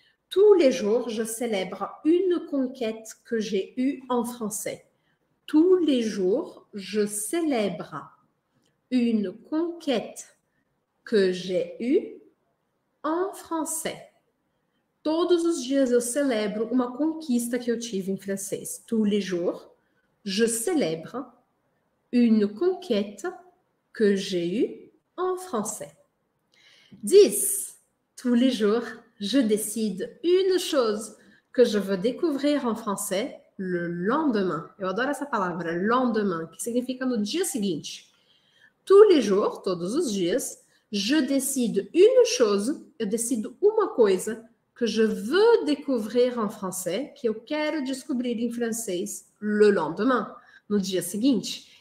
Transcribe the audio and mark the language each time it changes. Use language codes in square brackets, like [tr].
[fr] Tous les jours, je célèbre une conquête que j'ai eue en français. Tous les jours, je célèbre une conquête que j'ai eue en français. [pt] Todos os dias eu célèbre uma conquista que eu tive em francês. [fr] Tous les jours, je célèbre une conquête que j'ai eue en français. 10. Tous les jours, je décide une chose que je veux découvrir en français le lendemain. [pt] Eu adoro essa palavra, lendemain, que significa no dia seguinte. [fr] Tous les jours, [pt] todos os dias, [fr] je décide une chose, [pt] eu decido uma coisa [fr] que je veux découvrir en français, [pt] que eu quero descobrir em francês [fr] le lendemain, [pt] no dia seguinte.